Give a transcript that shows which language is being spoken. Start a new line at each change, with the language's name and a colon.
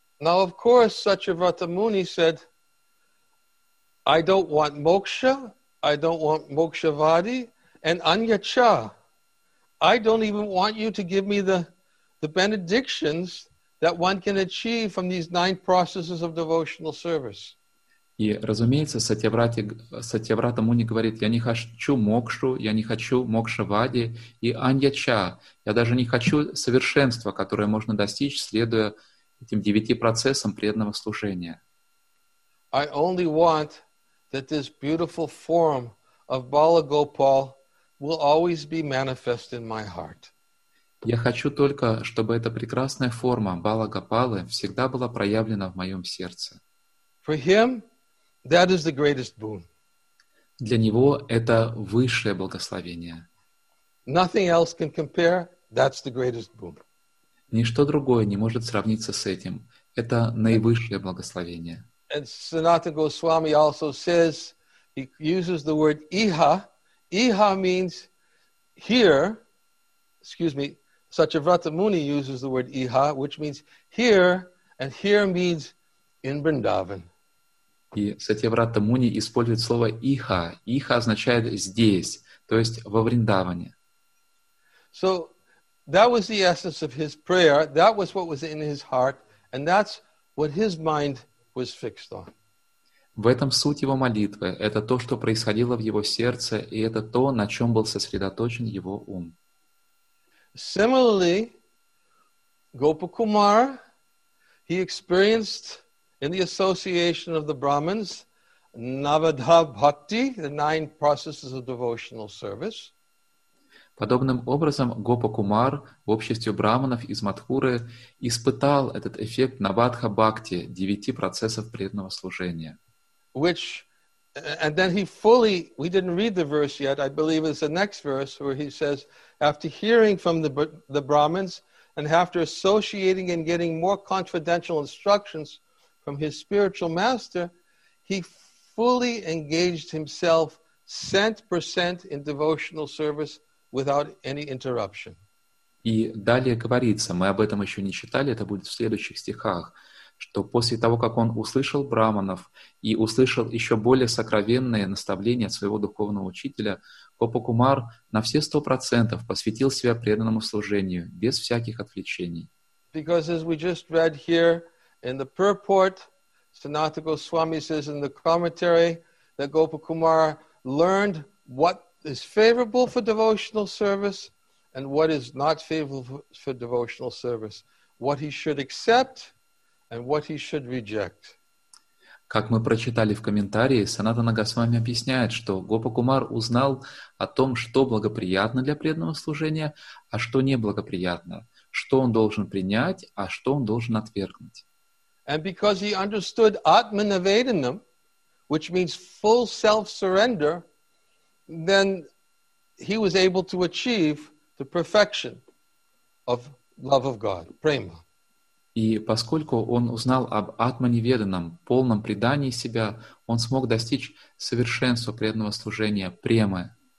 English: Now, of course, Satyavrata Muni said, I don't want moksha, I don't want mokshavadi, and anyacha. I don't even want you to give me the benedictions that one can achieve from these nine processes of devotional service.
Russian: И, разумеется, Сатьяврата Муни говорит, я не хочу мокшу, я не хочу мокшавади и аньяча. Я даже не хочу совершенства, которое можно достичь, следуя этим девяти процессам преданного служения.
English: I only want that this beautiful form of Бала Гопал will always be manifest in my heart.
Russian: Я хочу только, чтобы эта прекрасная форма Бала Гопалы всегда была проявлена в моем сердце.
English: For him, that is the greatest boon.
Russian: Для него это высшее благословение.
English: Nothing else can compare. That's the greatest boon.
Russian: Ничто другое не может сравниться с этим. Это наивысшее благословение.
English: And Sanatana Goswami also says, he uses the word iha. Iha means here. Excuse me. Satyavrata Muni uses the word iha, which means here, and here means in Vrindavan.
Russian: И Сатьяврата Муни использует слово иха. Иха означает здесь, то есть во Вриндаване.
English: So that was the essence of his prayer. That was what was in his heart, and that's what his mind was fixed on.
Russian: В этом суть его молитвы. Это то, что происходило в его сердце, и это то, на чем был сосредоточен его ум.
English: Similarly, Gopakumar, he experienced in the association of the Brahmins, Navadha Bhakti, the nine processes of devotional service.
Russian: Подобным образом Гопакумар в обществе брахманов из Матхуры испытал этот эффект Навадха Бхакти, девяти процессов преданного служения.
English: Which, and then he fully, we didn't read the verse yet, I believe it's the next verse where he says, after hearing from the Brahmins and after associating and getting more confidential instructions from his spiritual master, he fully engaged himself 100% in devotional service without any interruption.
Russian: И далее говорится, мы об этом еще не читали, это будет в следующих стихах, что после того, как он услышал брахманов и услышал еще более сокровенные наставления от своего духовного учителя, Гопакумар на все 100% посвятил себя преданному служению, без всяких отвлечений.
English: Because as we just read here, in the purport, Sanatana Goswami says in the commentary that Gopakumar learned what is favorable for devotional service and what is not favorable for devotional service, what he should accept and what he should reject.
Russian: Как мы прочитали в комментарии, Санатана Госвами объясняет, что Гопакумар узнал о том, что благоприятно для преданного служения, а что неблагоприятно, что он должен принять, а что он должен отвергнуть.
English: And because he understood Atmanivedanam, which means full self-surrender, then he was able to achieve the perfection of love of God, prema.
Russian: И поскольку он узнал об Атманиведанам, полном предании себя, он смог достичь совершенства преданного служения, премы.